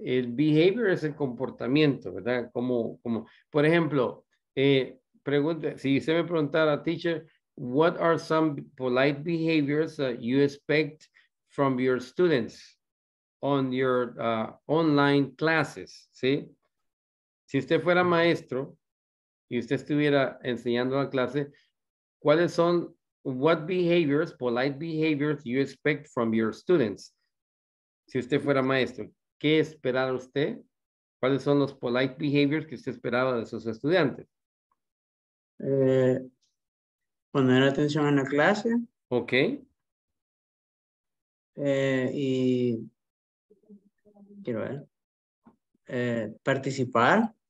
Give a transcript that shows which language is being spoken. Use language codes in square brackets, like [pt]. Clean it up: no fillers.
[es] El behavior es el comportamiento, ¿verdad? Como por ejemplo, si usted me preguntara, teacher, [en] what are some polite behaviors you expect from your students on your online classes, [es] ¿sí? Si usted fuera maestro y usted estuviera enseñando la clase, ¿cuáles son [en] what behaviors, polite behaviors, you expect from your students? [es] Si usted fuera maestro, ¿qué esperara usted? ¿Cuáles son los polite behaviors que usted esperaba de sus estudiantes? Poner atención en la clase. [en] Ok. [es] Y quiero ver. Participar.